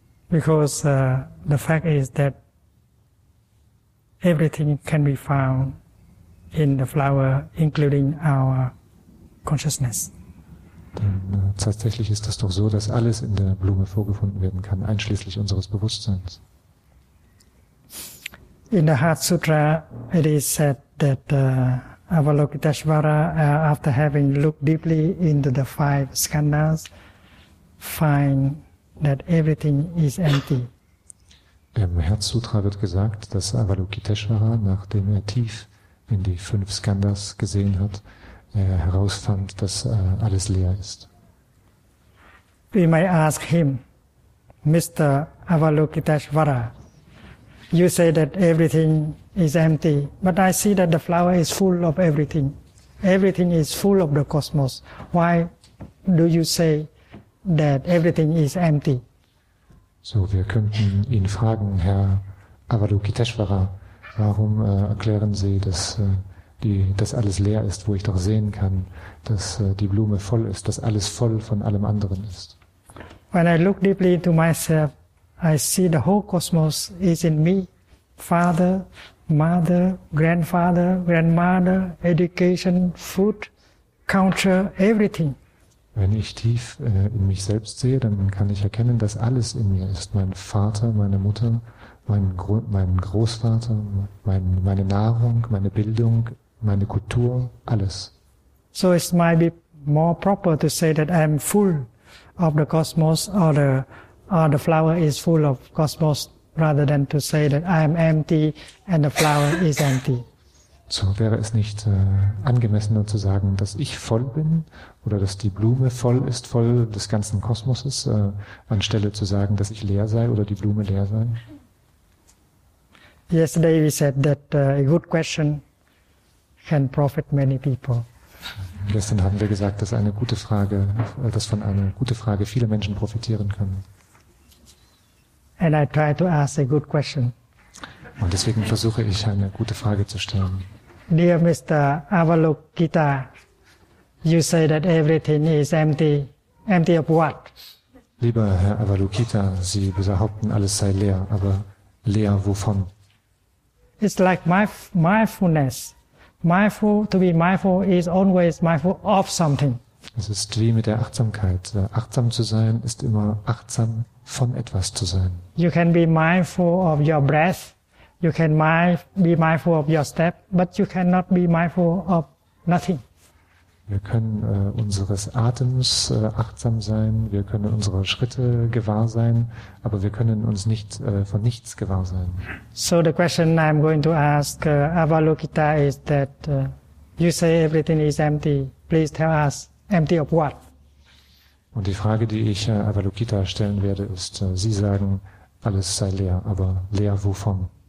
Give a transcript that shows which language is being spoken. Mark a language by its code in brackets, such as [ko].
[en] Because the fact is that everything can be found in the flower, including our consciousness. [de] Tatsächlich ist das doch so, dass alles in der Blume vorgefunden werden kann, einschließlich unseres Bewusstseins. [en] In the Heart Sutra, it is said that Avalokiteshvara, after having looked deeply into the five skandhas, find that everything is empty. [de] Im Heart Sutra wird gesagt, dass Avalokiteshvara, nachdem er tief in die fünf Skandhas gesehen hat, herausfand, dass alles leer ist. [en] We may ask him, Mr. Avalokiteshvara, you say that everything is empty, but I see that the flower is full of everything. Everything is full of the cosmos. Why do you say that everything is empty? [de] So, wir könnten ihn fragen, Herr Avalokiteshvara, warum erklären Sie, dass dass alles leer ist, wo ich doch sehen kann, dass die Blume voll ist, dass alles voll von allem anderen ist. [en] When I look deeply into myself, I see the whole cosmos is in me. Father, mother, grandfather, grandmother, education, food, culture, everything. [de] Wenn ich tief in mich selbst sehe, dann kann ich erkennen, dass alles in mir ist. Mein Vater, meine Mutter, mein Großvater, meine Nahrung, meine Bildung, meine Kultur, alles. [en] So it might be more proper to say that I am full of the cosmos, or the flower is full of cosmos, rather than to say that I am empty and the flower is empty. [de] So wäre es nicht angemessener zu sagen, dass ich voll bin oder dass die Blume voll ist, voll des ganzen Kosmoses, anstelle zu sagen, dass ich leer sei oder die Blume leer sei? [en] Yesterday we said that a good question can profit many people. [de] Gestern haben wir gesagt, dass eine gute Frage, dass von einer guten Frage viele Menschen profitieren können. [en] And I try to ask a good question. [de] Und deswegen versuche ich, eine gute Frage zu stellen. [en] Dear Mr. Avalokita, you say that everything is empty. Empty of what? [de] Lieber Herr Avalokita, Sie behaupten, alles sei leer, aber leer wovon? [en] It's like mindfulness. Mindful, to be mindful is always mindful of something. [de] Es ist wie mit der Achtsamkeit. Achtsam zu sein ist immer achtsam von etwas zu sein. [en] You can be mindful of your breath. You can be mindful of your step, but you cannot be mindful of nothing. [de] Wir können unseres Atems achtsam sein, wir können unsere Schritte gewahr sein, aber wir können uns nicht von nichts gewahr sein. [en] So the question I'm going to ask Avalokita is that you say everything is empty. Please tell us, empty of what? [de] Und die Frage, die ich Avalokita stellen werde, ist, Sie sagen, alles sei leer, aber leer wovon?